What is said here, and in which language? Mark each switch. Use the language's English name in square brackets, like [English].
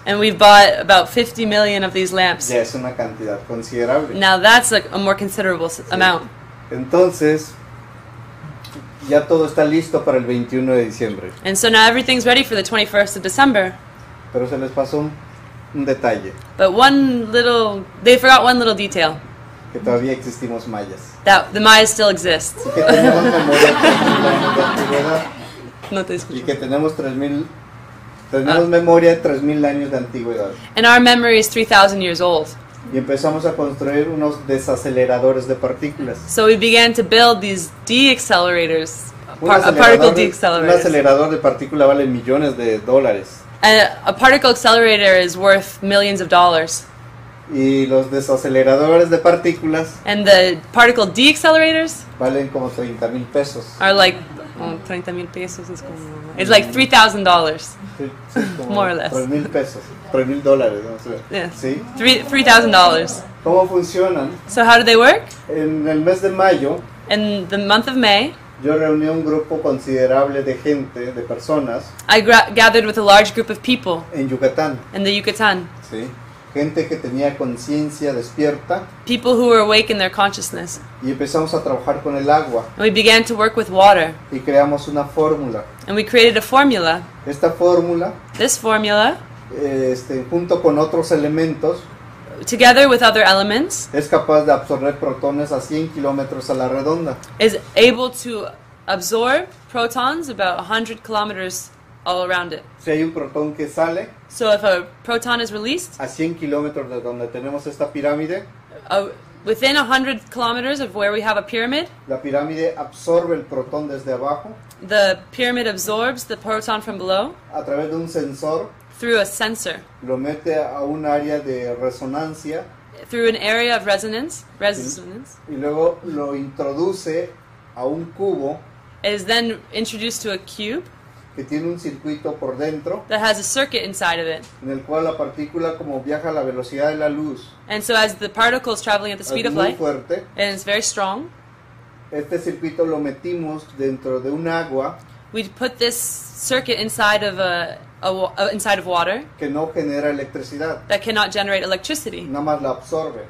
[English] And we've bought about 50 million of these lamps. [Spanish] Ya es una cantidad considerable. [English] Now that's a more considerable amount. [Spanish] Entonces, ya todo está listo para el 21 de diciembre. [English] And so now everything's ready for the 21st of December. [Spanish] Pero se les pasó un detalle. [English] But they forgot one little detail. [Spanish] Que todavía existimos mayas. [English] That the Mayas still exist. [Spanish] Y que tenemos memoria de 3000 años de antigüedad. No te escucho. Y que tenemos 3000 tenemos memoria de 3000 años de antigüedad. [English] And our memory is 3000 years old. [Spanish] Y empezamos a construir unos desaceleradores de partículas. [English] So we began to build these deaccelerators. Particle deaccelerators. [Spanish] Un acelerador de partícula vale millones de dólares. [English] And a particle accelerator is worth millions of dollars. [Spanish] Y los desaceleradores de partículas. [English] And the particle deaccelerators. [Spanish] Valen como 30 mil pesos. [English] Are like. Oh, [Spanish] 30 mil pesos es como. [English] It's like $3,000. More or less. [Spanish] 3 mil pesos. 3 mil dólares. No sé. [English] Yeah. ¿Sí? $3,000. [Spanish] ¿Cómo funcionan? [English] So how do they work? [Spanish] En el mes de mayo. [English] In the month of May. [Spanish] Yo reuní un grupo considerable de gente, de personas. [English] I gathered with a large group of people. [Spanish] En Yucatán. [English] In the Yucatán. [Spanish] Sí. Gente que tenía conciencia despierta. [English] People who were awake in their consciousness. [Spanish] Y empezamos a trabajar con el agua. [English] And we began to work with water. [Spanish] Y creamos una fórmula. [English] And we created a formula. [Spanish] Esta fórmula. [English] This formula. [Spanish] Junto con otros elementos. [English] Together with other elements. [Spanish] Es capaz de absorber protones a 100 kilómetros a la redonda. [English] Is able to absorb protons about 100 kilometers all around it. [Spanish] Si hay un protón que sale. [English] So if a proton is released, [Spanish] a 100 kilómetros de donde tenemos esta pirámide, [English] within 100 kilometers of where we have a pyramid, [Spanish] la pirámide absorbe el protón desde abajo, [English] the pyramid absorbs the proton from below, [Spanish] a través de un sensor, [English] through a sensor, [Spanish] lo mete a un área de resonancia, [English] through an area of resonance, [Spanish] y luego lo introduce a un cubo, [English] is then introduced to a cube, [Spanish] que tiene un circuito por dentro. [English] That has a circuit inside of it. [Spanish] En el cual la partícula como viaja a la velocidad de la luz. [English] And so as the particle is traveling at the speed of light. [Spanish] Es muy fuerte. [English] And it's very strong. [Spanish] Este circuito lo metimos dentro de un agua. [English] We put this circuit inside of inside of water. [Spanish] Que no genera electricidad. [English] That cannot generate electricity. [Spanish] Nada más la absorbe.